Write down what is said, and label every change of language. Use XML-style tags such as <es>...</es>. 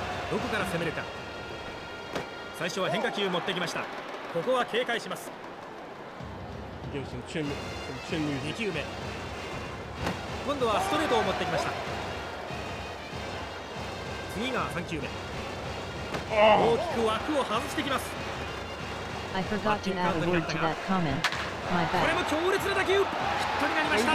<ja>どこから攻めるか。最初は変化球を持ってきました。ここは警戒します。 2 球目、今度はストレートを持ってきました。次が3球目、大きく枠を外してきます。</ja> <en>I forgot to add a word to that comment. My bad.</en> <ja>これも強烈な打球、ヒットになりました。</ja>